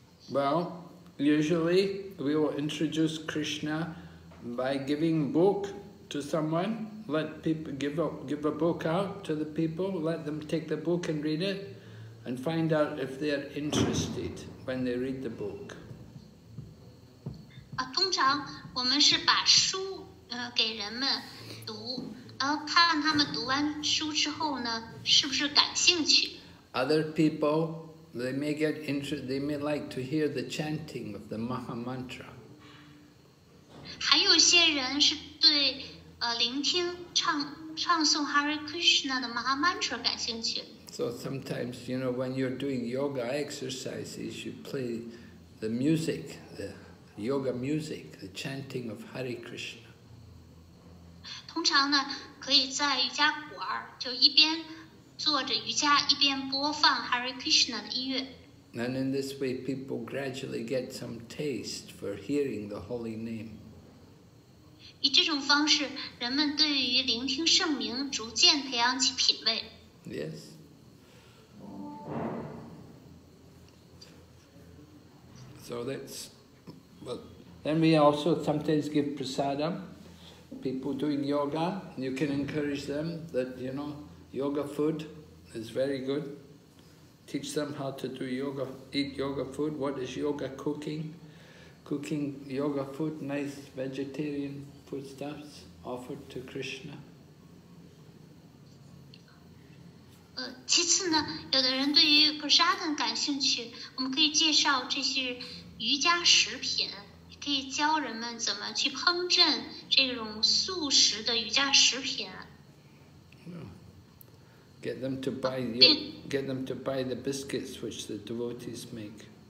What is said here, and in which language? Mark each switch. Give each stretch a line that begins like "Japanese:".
English: Well, usually we will introduce Krishna by giving book to someone. Let people give a book out to the people. Let them take the book and read it, and find out if they are interested when they read the book.
Chinese: 通常我们是把书给人们读，然后看他们读完书之后呢，是不是感兴趣。
English: Other people. They may get interested, they may like to hear the chanting of the Maha Mantra.
Chinese: 还有些人是对聆听唱诵 Hare Krishna 的 Maha Mantra 感兴趣。
English: So sometimes, you know, when you're doing yoga exercises, you play the music, the yoga music, the chanting of Hare Krishna.
Chinese: 通常呢，可以在瑜伽馆就一边做着瑜伽，一边播放 Hare Krishna 的音乐。
English: And in this way, people gradually get some taste for hearing the holy name.
Chinese: 以这种方式，人们对于聆听圣名逐渐培养起品味。
English: Yes. So that's, well, then we also sometimes give prasada. People doing yoga, you can encourage them that, you know,Yoga food is very good. Teach them how to do yoga, eat yoga food. What is yoga cooking? Cooking yoga food, nice vegetarian foodstuffs offered to Krishna.
Chinese: 其次呢，有的人对于 prasadam 感兴趣，我们可以介绍这些瑜伽食品，可以教人们怎么去烹饪这种素食的瑜伽食品。
English: Get them to buy your, get them to buy the biscuits which the devotees make.